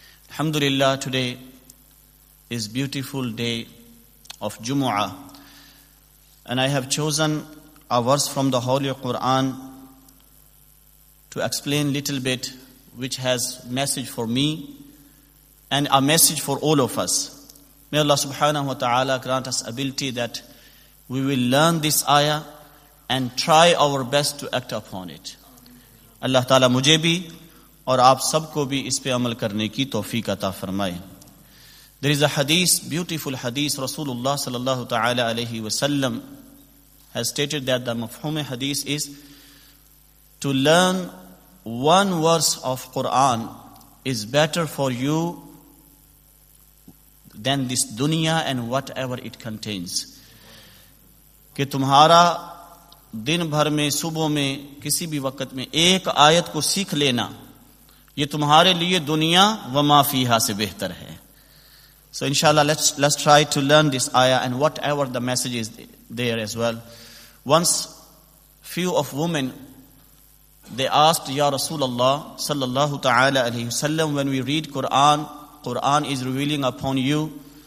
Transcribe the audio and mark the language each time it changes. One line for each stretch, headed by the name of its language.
English: Alhamdulillah, today is beautiful day of Jumu'ah, and I have chosen a verse from the Holy Quran to explain little bit which has message for me and a message for all of us. May Allah subhanahu wa ta'ala grant us ability that we will learn this ayah and try our best to act upon it.
Urdu: Allah ta'ala mujhe bhi اور آپ سب کو بھی اس پہ عمل کرنے کی توفیق عطا فرمائے.
English: There is a hadith, beautiful hadith, رسول اللہ صلی اللہ تعالی علیہ وسلم has stated that the مفہوم حدیث is to learn one verse of Quran is better for you than this dunya and whatever it contains.
Urdu: کہ تمہارا دن بھر میں, صبحوں میں, کسی بھی وقت میں ایک آیت کو سیکھ لینا, یہ تمہارے لیے دنیا و ما فیہا سے بہتر ہے.
English: So inshallah, let's try to learn this ayah and whatever the message is there as well. Once few of women, They asked, Ya Rasulullah sallallahu ta'ala alayhi wa sallam, when we read Quran, Quran is revealing upon you.